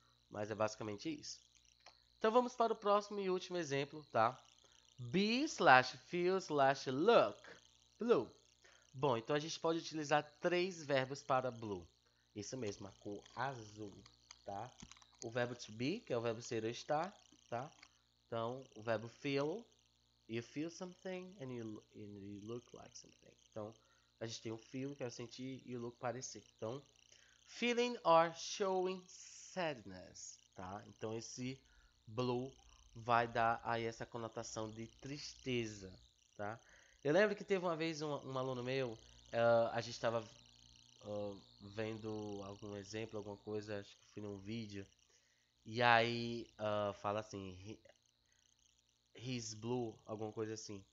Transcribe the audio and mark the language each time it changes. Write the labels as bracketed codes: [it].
[pt] Mas é basicamente isso. Então vamos para o próximo e último exemplo, tá? [en] Be slash feel slash look. Blue. [pt] Bom, então a gente pode utilizar três verbos para blue. Isso mesmo, a cor azul, tá? O verbo to be, que é o verbo ser ou estar, tá? Então, o verbo feel. [en] You feel something and you look like something. [pt] Então, a gente tem o feel, que é o sentir, e o look, parecer. Então, [en] feeling or showing sadness, [pt] tá? Então, esse blue vai dar aí essa conotação de tristeza, tá? Eu lembro que teve uma vez um aluno meu, a gente estava vendo algum exemplo, alguma coisa, acho que foi num vídeo, e aí fala assim, [en] he's blue, [pt] alguma coisa assim.